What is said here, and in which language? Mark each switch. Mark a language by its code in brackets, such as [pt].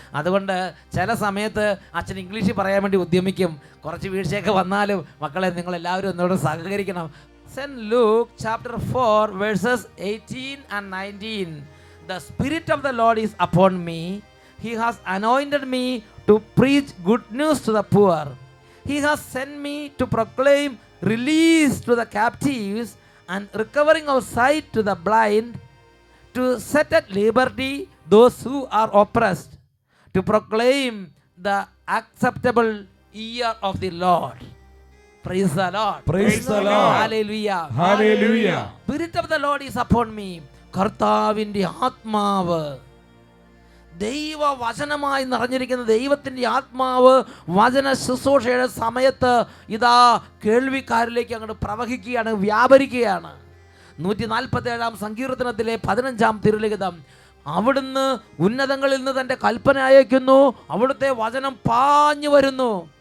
[ml] അതുകൊണ്ട് ചില സമയത്ത് അച്ഛൻ ഇംഗ്ലീഷിൽ പറയാൻ വേണ്ടി ഉദ്യമിക്കും, കുറച്ച് വീഴ്ചയൊക്കെ വന്നാലും മക്കളെ നിങ്ങളെല്ലാവരും എന്നോട് സഹകരിക്കണം. [en] Saint Luke chapter 4:18-19, the spirit of the Lord is upon me, he has anointed me to preach good news to the poor. He has sent me to proclaim release to the captives and recovering of sight to the blind, to set at liberty those who are oppressed, to proclaim the acceptable year of the Lord. Praise the Lord. Praise the Lord. Hallelujah. Hallelujah. Spirit of the Lord is upon me. [ml] കർത്താവിൻ്റെ ആത്മാവ്, ദൈവ വചനമായി നിറഞ്ഞിരിക്കുന്ന ദൈവത്തിൻ്റെ ആത്മാവ് വചന ശുശ്രൂഷയുടെ സമയത്ത് ഇതാ കേൾവിക്കാരിലേക്ക് അങ്ങോട്ട് പ്രവഹിക്കുകയാണ്, വ്യാപരിക്കുകയാണ്. 147 സങ്കീർത്തനത്തിലെ 15 തിരുലിഖിതം, അവിടുന്ന് ഉന്നതങ്ങളിൽ നിന്ന് തൻ്റെ കൽപ്പന അയക്കുന്നു, അവിടുത്തെ വചനം പാഞ്ഞു വരുന്നു.